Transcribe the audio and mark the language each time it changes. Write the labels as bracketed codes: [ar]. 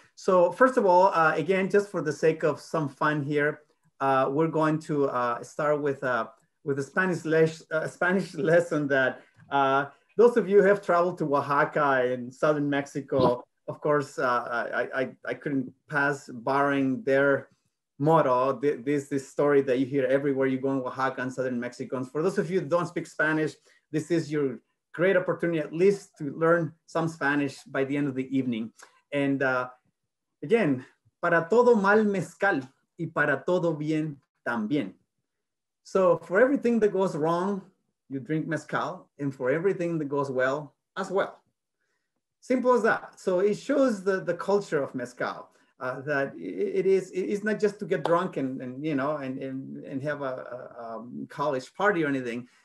[en] So first of all, again, just for the sake of some fun here, we're going to start with a Spanish lesson that those of you who have traveled to Oaxaca in southern Mexico, of course, I couldn't pass borrowing their motto, this story that you hear everywhere you go in Oaxaca and southern Mexico. And for those of you who don't speak Spanish, this is your great opportunity at least to learn some Spanish by the end of the evening. And again, [es] para todo mal mezcal y para todo bien también. [en] So for everything that goes wrong, you drink mezcal, and for everything that goes well, as well. Simple as that. So it shows the culture of mezcal, that it's not just to get drunk and have a college party or anything.